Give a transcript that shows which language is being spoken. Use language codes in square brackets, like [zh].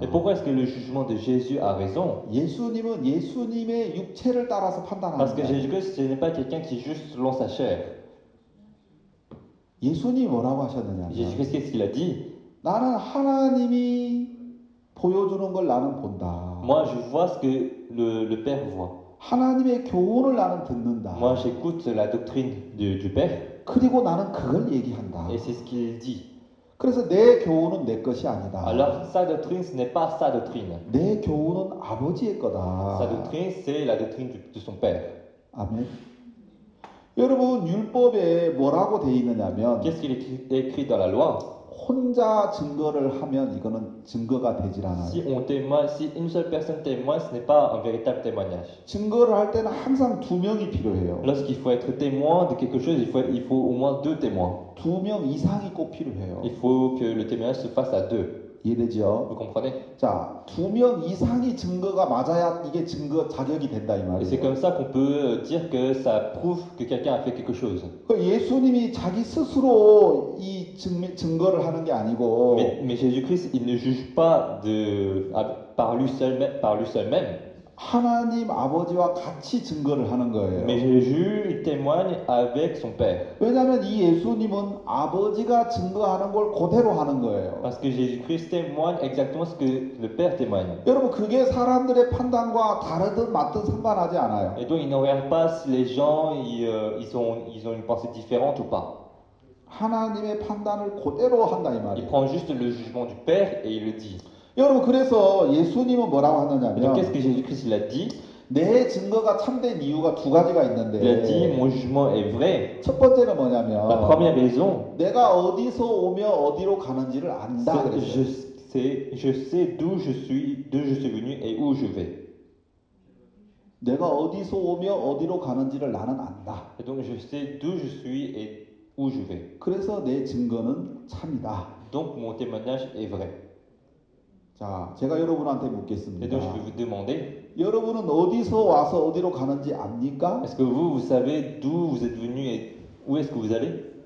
[fr] Et pourquoi est-ce que le jugement de Jésus a raison? [ko] 예수님은 예수님의 육체를 따라서 판단하는 [fr] Parce que Jésus-Christ, ce n'est pas quelqu'un qui juge selon sa chair. [ko] 예수님 뭐라고 하셨느냐? [fr] Jésus-Christ, qu'est-ce qu'il a dit? [ko] 나는 하나님이 보여주는 걸 나는 본다. [fr] Moi, je vois ce que le Père voit. [ko] 하나님의 교훈을 나는 듣는다. [fr] Moi, j'écoute la doctrine du Père. [ko] 그리고 나는 그걸 얘기한다. [fr] Et c'est ce qu'il dit. [ko] 그래서 내 교훈은 내 것이 아니다. [fr] Alors, sa doctrine, ce n'est pas sa doctrine. [ko] 내 교훈은 아버지의 거다. [fr] Sa doctrine, c'est la doctrine de son père. [ko] 아멘. 여러분, 율법에 뭐라고 돼 있느냐면 [fr] Qu'est-ce qu'il est écrit dans la loi? [ko] 혼자 증거를 하면 이거는 증거가 되질 않아요. [fr] Si une seule personne témoigne, ce n'est pas un véritable témoignage. [ko] 증거를 할 때는 항상 두 명이 필요해요. [fr] Lorsqu'il faut être témoin de quelque chose, il faut au moins deux témoins. [ko] 두 명 이상이 꼭 필요해요. [fr] Il faut que le témoignage se fasse à deux. [ko] 이해되죠? [fr] Vous comprenez? [ko] 자, 두 명 이상이 증거가 맞아야 이게 증거 자격이 된다 이 말이에요. [fr] Et c'est comme ça qu'on peut dire que ça prouve que quelqu'un a fait quelque chose. [ko] 예수님이 자기 스스로 이 증거를 하는 게 아니고 [fr] Mais Jésus-Christ, il ne juge pas de par lui seul même. [ko] 하나님 아버지와 같이 증거를 하는 거예요. [fr] Mais Jésus témoigne avec son père. [ko] 왜냐하면 이 예수님은 아버지가 증거하는 걸 그대로 하는 거예요. [fr] Parce que Jésus-Christ témoigne exactement ce que le père témoigne. [ko] 여러분 그게 사람들의 판단과 다르든 맞든 상관하지 않아요. [fr] Et donc il ne regarde pas si les gens ils ont une pensée différente ou pas. [ko] 하나님의 판단을 그대로 한다 이 말이에요. [fr] Il prend juste le jugement du père et il le dit. [ko] 여러분 그래서 예수님은 뭐라고 하느냐면 [fr] Qu'est-ce que Jésus-Christ l'a dit? [ko] 내 증거가 참된 이유가 두 가지가 있는데. [fr] Il a dit mon jugement est vrai. [ko] 첫 번째는 뭐냐면 [fr] La première raison. [ko] 내가 어디서 오며 어디로 가는지를 안다. [fr] Je sais d'où je suis, d'où je suis venu et où je vais. [ko] 내가 어디서 오며 어디로 가는지를 나는 안다. [fr] Et donc je sais d'où je suis et où je vais. [ko] 그래서 내 증거는 참이다. [fr] Donc mon témoignage est vrai. [ko] 자, 제가 여러분한테 묻겠습니다. [fr] Et donc je vais vous demander. [ko] 여러분은 어디서 와서 어디로 가는지 압니까? [fr] Est-ce que vous savez d'où vous êtes venu et où est-ce que vous allez?